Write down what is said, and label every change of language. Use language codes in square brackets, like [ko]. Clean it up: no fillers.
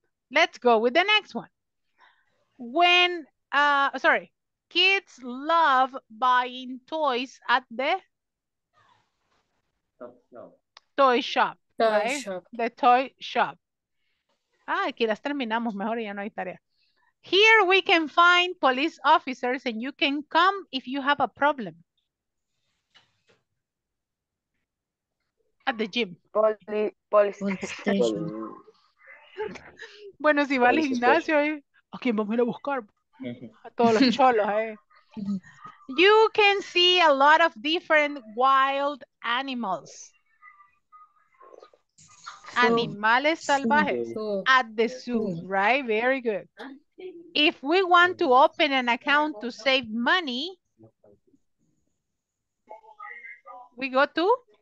[en] Let's go with the next one. When, kids love buying toys at the toy shop. [es] Ah, aquí las terminamos, mejor ya no hay tarea. [en] Here we can find police officers and you can come if you have a problem. At the gym. Police station. [es] Bueno, si va al gimnasio, ¿a quién vamos a ir a buscar? A todos los cholos, ¿eh? [en] You can see a lot of different wild animals. [es] Animales salvajes. [en] At the zoo, right? Very good. If we want to open an account to save money, we go to?